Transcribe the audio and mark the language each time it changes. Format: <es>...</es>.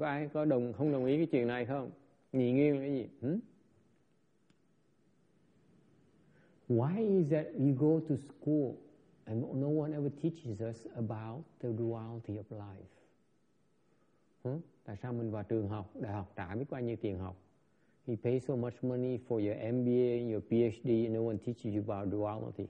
<vi>Ai có đồng không đồng ý cái chuyện này không? Nhị nguyên là cái gì?</vi> <en>Why is that we go to school and no one ever teaches us about the duality of life?</en> <vi>Tại sao mình vào trường học, đại học trả biết bao nhiêu tiền học?</vi> <en>You pay so much money for your MBA and your PhD and no one teaches you about duality.</en>